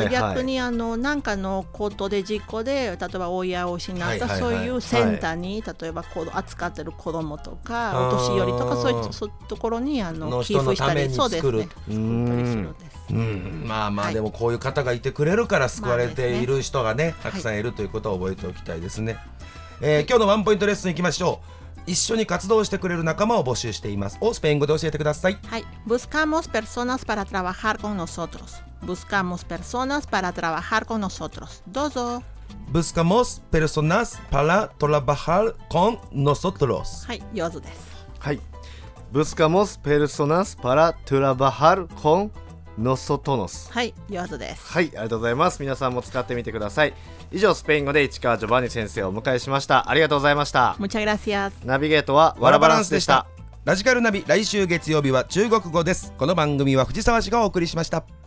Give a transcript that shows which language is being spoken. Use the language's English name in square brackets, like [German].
[Japanese] 逆に何かのことで事故で例えば親を失った、はいはいはい、そういうセンターに、はい、例えば扱ってる子供とかお年寄りとか、そういうところに寄付したり、そうですね、うん、まあまあ、でもこういう方がいてくれるから救われている人がね、たくさんいるということを覚えておきたいですね、今日のワンポイントレッスンいきましょう。一緒に活動してくれる仲間を募集しています。をスペイン語で教えてください。はい、 [Spanish] buscamos personas para trabajar con nosotros. Buscamos personas para trabajar con nosotros. [Japanese] どうぞ。 [Spanish] buscamos personas para trabajar con nosotros. [Japanese] はい、上手です。はい、 [Spanish] buscamos personas para trabajar conノソトノス、 [Japanese] はい、ヨアズです。はい、ありがとうございます。皆さんも使ってみてください。以上、スペイン語で市川ジョバンニ先生をお迎えしました。ありがとうございました。ムチャグラシアス。ナビゲートはワラバランスでした。ラジカルナビ、来週月曜日は中国語です。この番組は藤沢市がお送りしました。